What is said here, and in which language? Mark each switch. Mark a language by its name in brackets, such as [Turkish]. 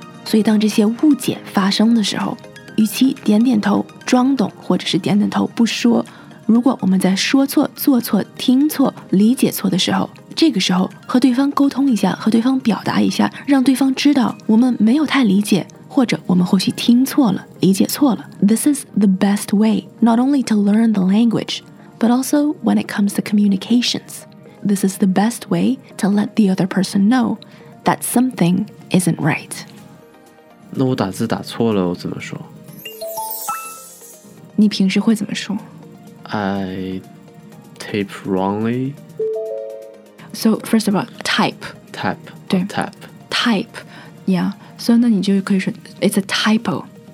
[Chinese] 所以当这些误解发生的时候，与其点点头装懂，或者是点点头不说，如果我们在说错、做错、听错、理解错的时候，这个时候和对方沟通一下，和对方表达一下，让对方知道我们没有太理解，或者我们或许听错了、理解错了。 [English] This is the best way not only to learn the language but also when it comes to communications. This is the best way to let the other person know that something isn't right. [Chinese] 那我打字打错了我怎么说？你平时会怎么说？ [English] I type wrongly. So first of all, type. Type. [Chinese] 对 [English] type. Type. Yeah. So [Chinese] 那你就可以说 [English] it's a typo.